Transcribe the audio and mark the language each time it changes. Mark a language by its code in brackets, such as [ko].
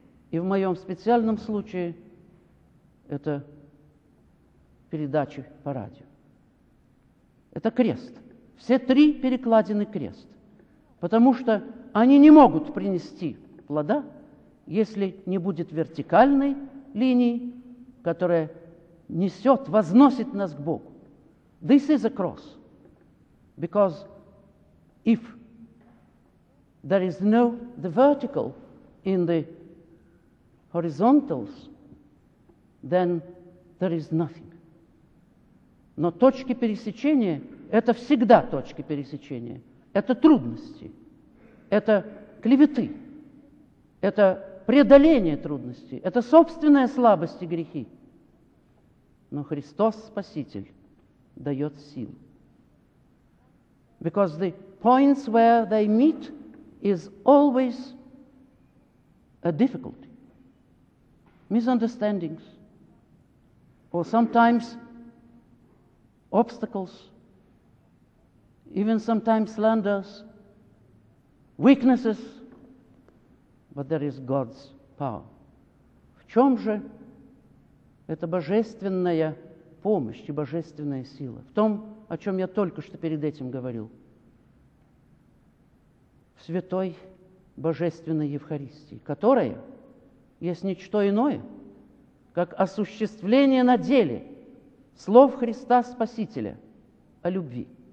[ru] И в моем специальном случае — это передачи по радио. Это крест. Все три перекладины крест. Потому что они не могут принести плода, если не будет вертикальной линии, которая несет, возносит нас к Богу. [en] This is a cross. Because if there is no the vertical in the horizontals, then there is nothing. [ru] Но точки пересечения — это всегда точки пересечения. Это трудности, это клеветы, это преодоление трудностей, это собственная слабость и грехи. Но Христос Спаситель дает силу. [en] Because the points where they meet is always a difficulty. Misunderstandings. Or sometimes obstacles, even sometimes slanders, weaknesses, but there is God's power. [ru] В чем же эта божественная помощь и божественная сила? В том, о чем я только что перед этим говорил. В святой божественной Евхаристии, которая есть ничто иное, как осуществление на деле слов Христа Спасителя о любви.